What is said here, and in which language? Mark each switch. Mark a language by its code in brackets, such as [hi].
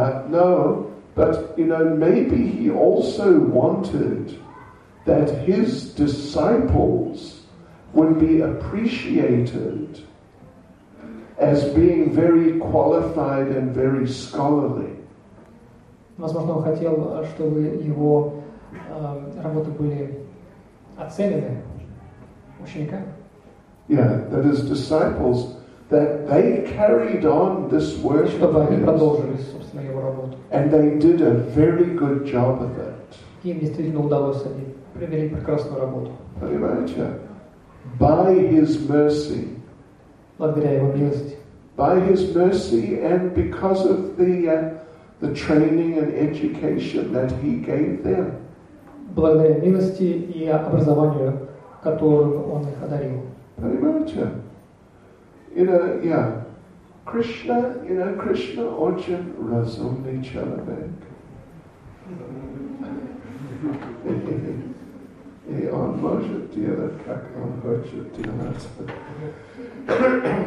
[en] No, but, you know, maybe he also wanted that his disciples would be appreciated as being very qualified and very scholarly. [ru] Возможно, он хотел, чтобы его работы были оценены учениками. [en] Yeah, that his disciples, that they carried on this work of his, and they did a very good job of it. [ru] Им действительно удалось, они провели прекрасную работу. Понимаете? [en] By his mercy. [ru] Благодаря его милости. [en] By his mercy and because of the training and education that he gave them. [ru] Благодаря милости и образованию, которое он их одарил. Понимаете? [en] You know, yeah. Krishna, you know, Krishna [ru] очень разумный человек. И он может делать, как он хочет делать.